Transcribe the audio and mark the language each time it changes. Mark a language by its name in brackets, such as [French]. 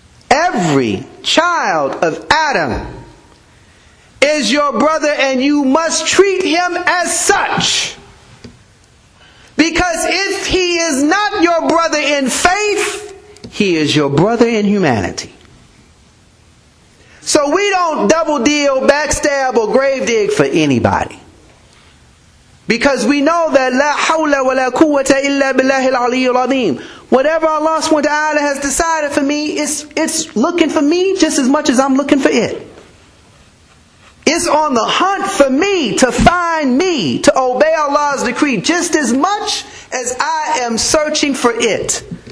[English] Every child of Adam is your brother, and you must treat him as such. Because if he is not your brother in faith, he is your brother in humanity. So we don't double deal, backstab, or grave dig for anybody. Because we know that [Arabic] لا حول ولا قوة إلا بالله العلي العظيم. [English] Whatever Allah subhanahu wa ta'ala has decided for me, it's looking for me just as much as I'm looking for it. It's on the hunt for me to find me to obey Allah's decree just as much as I am searching for it.